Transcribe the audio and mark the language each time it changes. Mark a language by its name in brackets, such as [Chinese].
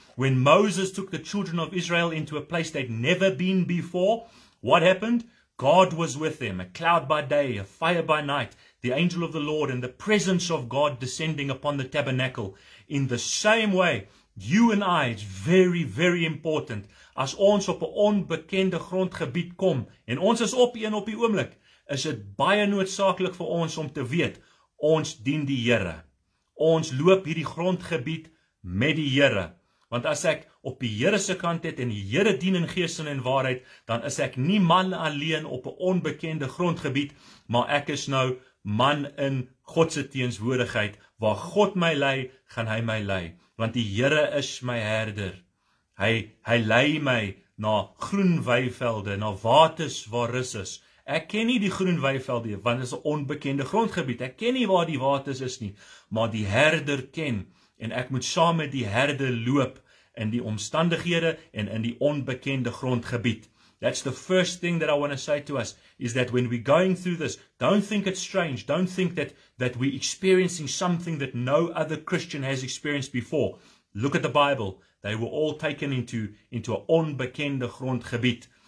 [English] When Moses took the children of Israel into a place they'd never been before, what happened? God was with them, a cloud by day, a fire by night, the angel of the Lord and the presence of God descending upon the tabernacle. In the same way, you and I, it's very, very important. [Afrikaans] As ons op 'n onbekende grondgebied kom, en ons is op een op die oomblik, is dit baie noodsaaklik vir ons om te weet, ons dien die Here. Ons loop hierdie grondgebied met die Here. Want as ek op die Here se kant het en die Here dien in gees en in waarheid, dan is ek nie man alleen op 'n onbekende grondgebied, maar ek is nou man in God se teenswoordigheid. Waar God my lei, gaan hy my lei. Want die Here is my herder. Hy lei my na groen weivelde, na waters waar rus is. Ek ken nie die groen weivelde, want dit is 'n onbekende grondgebied. Ek ken nie waar die waters is nie, maar die herder ken. En ek moet saam met die herde loop in die omstandighede en in die onbekende grondgebied. [English] That's the first thing that I want to say to us, is that when we're going through this, don't think it's strange. Don't think that we're experiencing something that no other Christian has experienced before. Look at the Bible. They were all taken into an [Afrikaans] onbekende grondgebied.